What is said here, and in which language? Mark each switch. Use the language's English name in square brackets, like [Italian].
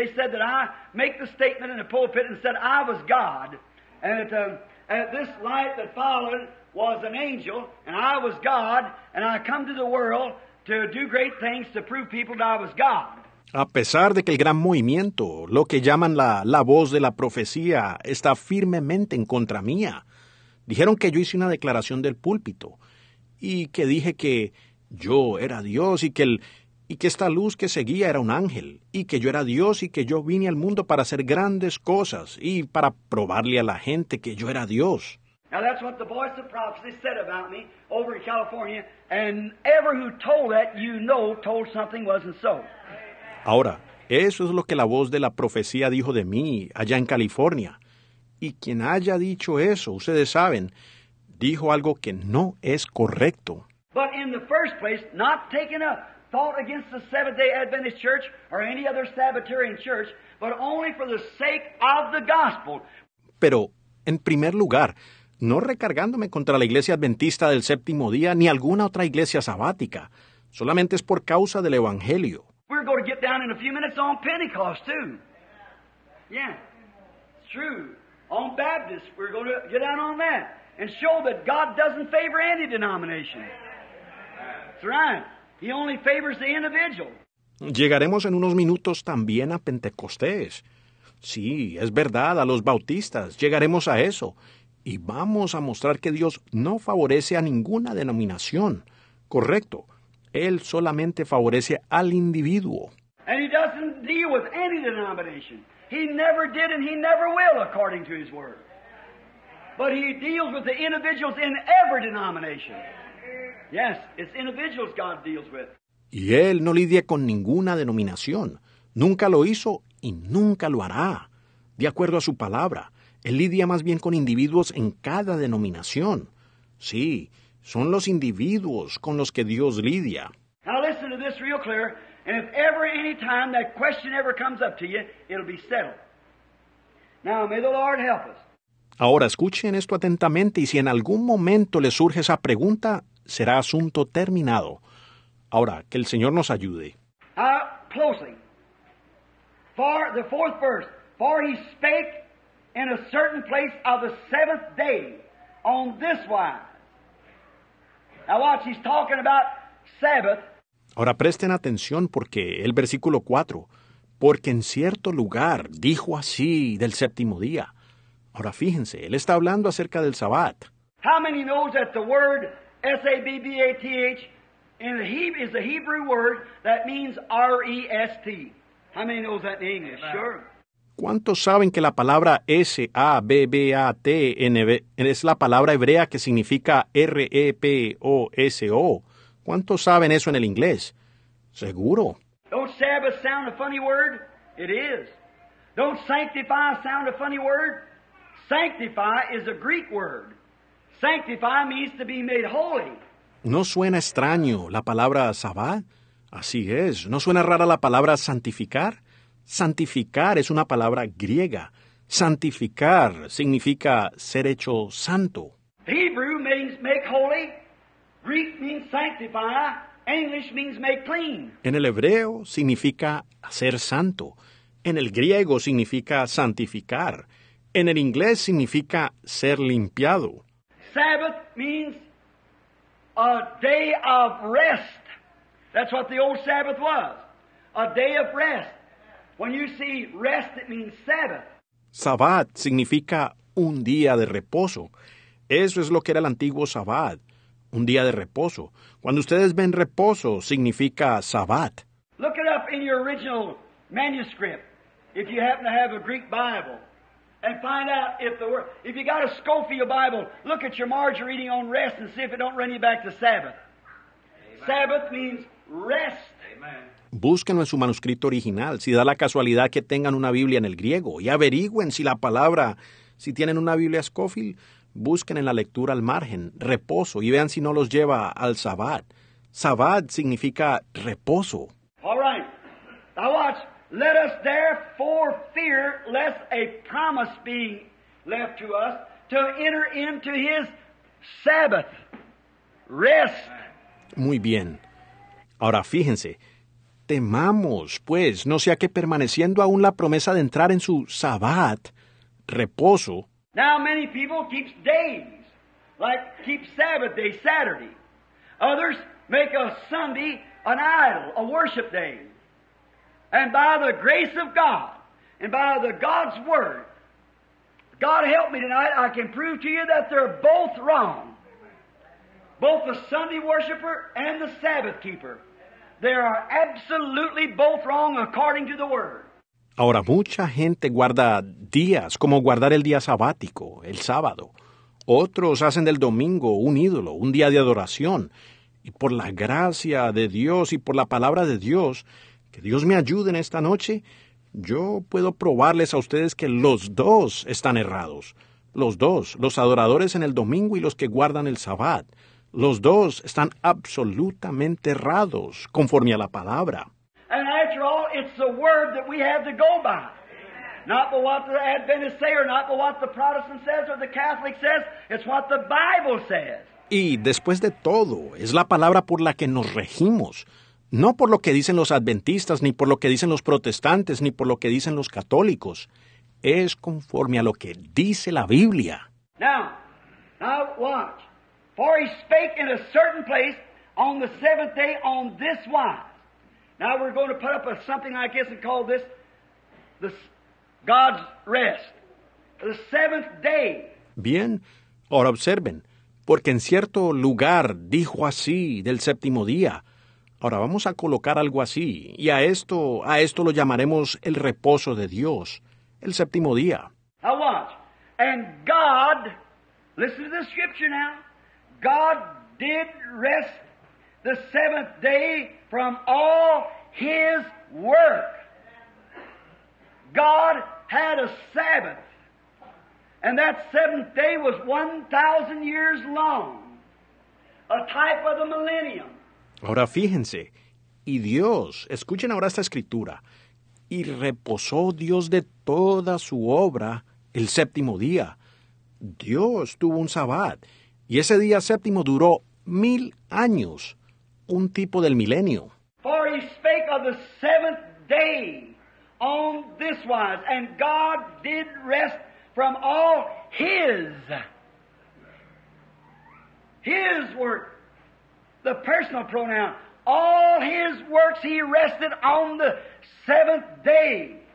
[English] They said that I make the statement in the pulpit and said I was God, and that this light that followed was an angel, and I was God, and I come to the world to do great things to prove people that I was God. [Spanish] A pesar de que el gran movimiento, lo que llaman la voz de la profecía, está firmemente en contra mía, dijeron que yo hice una declaración del púlpito y que dije que yo era Dios y que esta luz que seguía era un ángel y que yo era Dios y que yo vine al mundo para hacer grandes cosas y para probarle a la gente que yo era Dios. [English] Now that's what the voice of prophecy said about me over in California, and ever who told that, you know, told something wasn't so. [Spanish] Ahora, eso es lo que la voz de la profecía dijo de mí allá en California. Y quien haya dicho eso, ustedes saben, dijo algo que no es correcto. [English] But in the first place, not taking a thought against the Seventh-day Adventist Church or any other Sabbatarian Church, but only for the sake of the gospel. [Spanish] Pero, en primer lugar, no recargándome contra la Iglesia Adventista del Séptimo Día ni alguna otra iglesia sabática, solamente es por causa del Evangelio. [English] We're going to get down in a few minutes on Pentecost, too. Yeah, it's true. On Baptist, we're going to get down on that and show that God doesn't favor any denomination. That's right. He only favors the individual. [Spanish] Llegaremos en unos minutos también a Pentecostés. Sí, es verdad, a los bautistas. Llegaremos a eso. Y vamos a mostrar que Dios no favorece a ninguna denominación. Correcto. Él solamente favorece al individuo. [English] And he doesn't deal with any denomination. He never did and he never will, according to his word. But he deals with the individuals in every denomination. Yes, it's individuals God deals with. [Spanish] Y él no lidia con ninguna denominación. Nunca lo hizo y nunca lo hará. De acuerdo a su palabra, él lidia más bien con individuos en cada denominación. Sí. Son los individuos con los que Dios lidia. [English] this real clear, and if ever any time that question ever comes up to you, it'll be settled. Now, may the Lord help us. [Spanish] Ahora escuchen esto atentamente, y si en algún momento les surge esa pregunta, será asunto terminado. Ahora, que el Señor nos ayude. [English] Closing. For the fourth verse. For he spake in a certain place of the seventh day on this wise. Now watch, he's talking about Sabbath. [Spanish] Ahora presten atención porque el versículo 4. Porque en cierto lugar dijo así del séptimo día. Ahora fíjense, él está hablando acerca del Sabbat. [English] How many knows that the word S-A-B-B-A-T-H in the Hebrew is a Hebrew word that means R-E-S-T? How many knows that in English? Sure. [Spanish] ¿Cuántos saben que la palabra S-A-B-B-A-T es la palabra hebrea que significa R-E-P-O-S-O? ¿Cuántos saben eso en el inglés? Seguro. [English] Don't Sabbath sound a funny word? It is. Don't sanctify sound a funny word? Sanctify is a Greek word. Sanctify means to be made holy. [Spanish] ¿No suena extraño la palabra Sabbat? Así es. ¿No suena rara la palabra santificar? Santificar es una palabra griega. Santificar significa ser hecho santo. [English] Hebrew means make holy. Greek means sanctify. English means make clean. [Spanish] En el hebreo significa hacer santo. En el griego significa santificar. En el inglés significa ser limpiado. [English] Sabbath means a day of rest. That's what the old Sabbath was. A day of rest. When you see rest, it means Sabbath. [Spanish] Sabbat significa un día de reposo. Eso es lo que era el antiguo Sabbat, un día de reposo. Cuando ustedes ven reposo, significa Sabbat. [English] Look it up in your original manuscript, if you happen to have a Greek Bible, and find out if the word, if you got a Scofield Bible, look at your margin reading on rest and see if it don't run you back to Sabbath. Amen. Sabbath means rest. Amen. [Spanish] Búsquenlo en su manuscrito original, si da la casualidad que tengan una Biblia en el griego, y averigüen si la palabra, si tienen una Biblia Scofield, busquen en la lectura al margen, reposo, y vean si no los lleva al Sabbat. Sabbat significa reposo. [English] All right. Now watch. Let us therefore fear lest a promise be left to us to enter into his Sabbath. Rest. [Spanish] Muy bien. Ahora fíjense. Temamos, pues, no sea que permaneciendo aún la promesa de entrar en su Sabbat, reposo. [English] Now many people keep days, like keep Sabbath day, Saturday. Others make a Sunday an idol, a worship day. And by the grace of God, and by the God's word, God help me tonight, I can prove to you that they're both wrong. Both the Sunday worshiper and the Sabbath keeper. They are absolutely both wrong according to the word. [Spanish] Ahora, mucha gente guarda días, como guardar el día sabático, el sábado. Otros hacen del domingo un ídolo, un día de adoración. Y por la gracia de Dios y por la palabra de Dios, que Dios me ayude en esta noche, yo puedo probarles a ustedes que los dos están errados. Los dos, los adoradores en el domingo y los que guardan el Sabbat. Los dos están absolutamente errados, conforme a la palabra. [English] And after all, it's the word that we have to go by. Not by what the Adventist say, or not by what the Protestant says, or the Catholic says. It's what the Bible says. [Spanish] Y después de todo, es la palabra por la que nos regimos. No por lo que dicen los adventistas, ni por lo que dicen los protestantes, ni por lo que dicen los católicos. Es conforme a lo que dice la Biblia. [English] Now watch. For he spake in a certain place on the seventh day on this wise. Now we're going to put up a something like this and call this the God's rest. The seventh day. [Spanish] Bien. Ahora observen. Porque en cierto lugar dijo así del séptimo día. Ahora vamos a colocar algo así, y a esto lo llamaremos el reposo de Dios, el séptimo día. [English] Now watch. And God, listen to the scripture now, God did rest the seventh day from all his work. God had a Sabbath, and that seventh day was 1,000 years long, a type of the millennium. [Spanish] Ahora fíjense, Y Dios, escuchen ahora esta escritura, y reposó Dios de toda su obra el séptimo día. Dios tuvo un sabbat, y ese día séptimo duró 1,000 años, un tipo del milenio. [English] For he spake of the seventh day on this wise, and God did rest from all his work, the personal pronoun, all his works he rested on the seventh day.